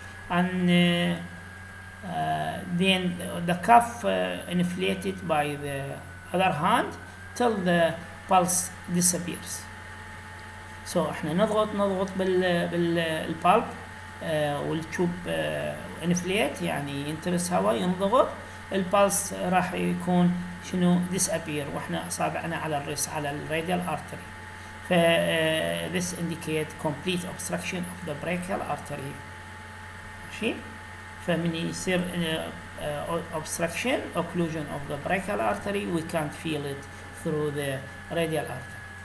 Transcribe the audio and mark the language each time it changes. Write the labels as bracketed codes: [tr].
[en] And then the cuff inflated by the other hand till the pulse disappears. [ar] So احنا نضغط بالبالب والتوب inflate, يعني ينترس هواء, ينضغط, البالس راح يكون شنو disappear واحنا اصابعنا على الرأس على الراديال ارتري. [en] ف this indicate complete obstruction of the brachial artery. [ar] ماشي؟ فمن يصير [en] obstruction occlusion of the brachial artery we can't feel it through the radial artery.